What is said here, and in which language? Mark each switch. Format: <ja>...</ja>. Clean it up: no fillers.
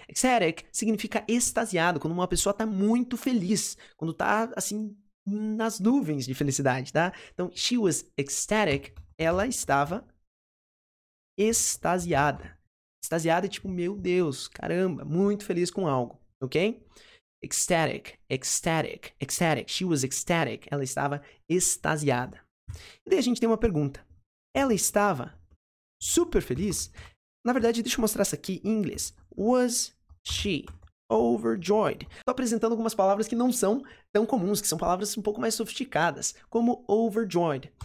<pt>Ecstatic significa extasiado, quando uma pessoa está muito feliz, quando está assim nas nuvens de felicidade, tá? Então,</pt> <en>she was ecstatic.</en> <pt>Ela estava extasiada. Extasiada é tipo, meu Deus, caramba, muito feliz com algo, ok?</pt> <en>Ecstatic, ecstatic, ecstatic. She was ecstatic.</en> <pt>Ela estava extasiada. E daí a gente tem uma pergunta. Ela estava super feliz? Na verdade, deixa eu mostrar isso aqui em inglês.</pt> <en>Was she overjoyed?</en> <pt>Estou apresentando algumas palavras que não são tão comuns, que são palavras um pouco mais sofisticadas, como overjoyed.</pt>